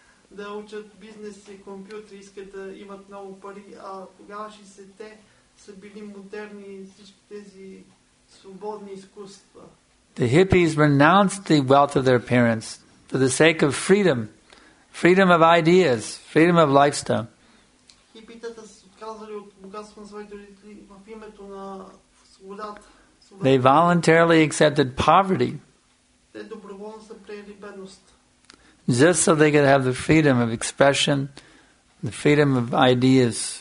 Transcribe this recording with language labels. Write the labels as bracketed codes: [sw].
[bg] Да учат бизнес и компютър, искат да имат много пари, а тогава 60-те са били модерни всички тези свободни изкуства. [en] The hippies renounced the wealth of their parents for the sake of freedom, freedom of ideas, freedom of lifestyle. [bg] Хипитата са отказали от богатството на своите родители в името на свободата. [en] They voluntarily accepted poverty. [bg] Те доброволно са приели бедност. [en] Just so they could have the freedom of expression, the freedom of ideas.